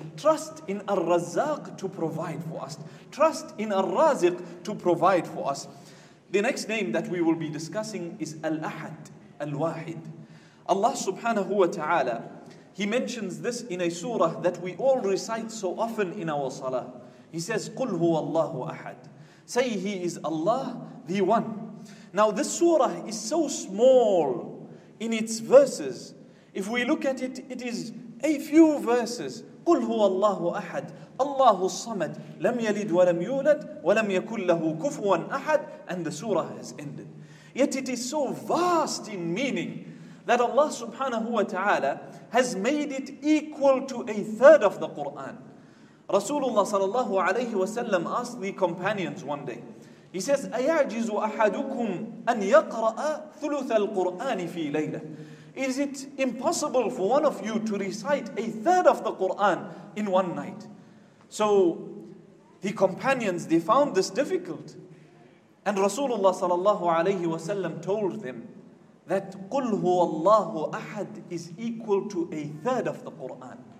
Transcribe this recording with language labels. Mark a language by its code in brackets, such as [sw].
[en] Trust in Ar-Razzaq to provide for us. Trust in Ar-Raziq to provide for us. The next name that we will be discussing is Al-Ahad, Al-Wahid. Allah subhanahu wa ta'ala, He mentions this in a surah that we all recite so often in our salah. He says, [ar] قُلْ هُوَ اللَّهُ أَحَدٌ. [en] Say, He is Allah, the One. Now this surah is so small in its verses. If we look at it, it is a few verses. [ar] قُلْ هُوَ اللَّهُ أَحَدٌ. اللَّهُ الصَّمَدُ. لَمْ يَلِدْ وَلَمْ يُولَدْ وَلَمْ يَكُلْ لَهُ كُفُوًا أَحَدٌ. [en] And the surah has ended. Yet it is so vast in meaning that Allah subhanahu wa ta'ala has made it equal to a third of the Qur'an. Rasulullah sallallahu alayhi wa sallam asked the companions one day. He says, [ar] أَيَعْجِزُ أَحَدُكُمْ أَنْ يَقْرَأَ ثُلُثَ الْقُرْآنِ فِي لَيْلَةٍ. [en] Is it impossible for one of you to recite a third of the Qur'an in one night? So the companions, they found this difficult. And Rasulullah sallallahu alayhi wa sallam told them that [ar] قُلْ هُوَ اللَّهُ أَحَدٌ [en] is equal to a third of the Qur'an.